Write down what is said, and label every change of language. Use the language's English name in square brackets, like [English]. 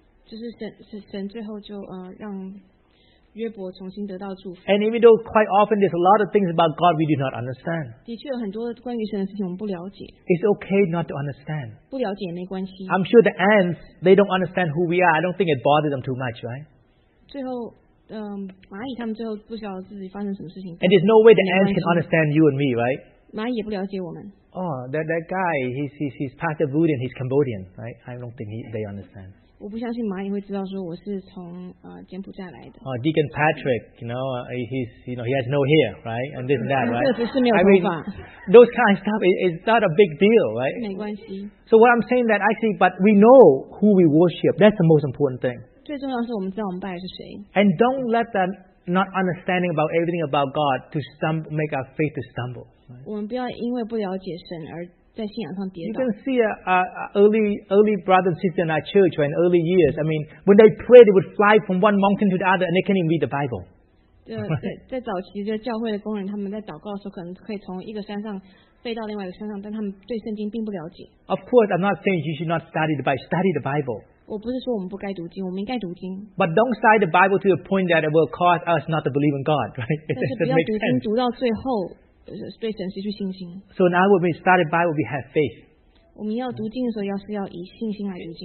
[Chinese] 就是神最后就让And [English] even though quite often there's a lot of things about God we do not understand, it's okay not to understand. [Chinese] 不了解没关系. [English] I'm sure the ants, they don't understand who we are. I don't think it bothers them too much, right? [Chinese] 最后, 蚂蚁他们最后不晓得自己发生什么事情, [English] and there's no way the ants can understand you and me, right? [Chinese] 蚂蚁也不了解我们. [English] Oh, that guy, he's Pastor Budin, he's Cambodian, right? I don't think they understand. [Chinese] 我不相信蚂蚁会知道说我是从, [English] Deacon Patrick, you know, he has no hair, right? And this and that, right? [Chinese] 确实是没有头发. [English] I mean, those kind of stuff, it's not a big deal, right? [Chinese] 没关系. [English] So what I'm saying that actually, but we know who we worship. That's the most important thing. [Chinese] 最重要是我们知道我们拜的是谁. [English] And don't let that not understanding about everything about God to stumble, make our faith to stumble. Right? You can see early brothers and sisters in our church in early years. I mean, when they pray, they would fly from one mountain to the other and they can't even read the Bible. [Chinese] 在早期教会的工人他们在祷告的时候可能可以从一个山上飞到另外一个山上但他们对圣经并不了解. [English] Of course, I'm not saying you should not study the Bible. Study the Bible. [Chinese] 我不是说我们不该读经，我们应该读经. [English] But don't study the Bible to the point that it will cause us not to believe in God, right? [Chinese] 但是不要读经读到最后对神失去信心. [English] So now when we study the Bible, we have faith. [Chinese] 我们要读经的时候要以信心来读经.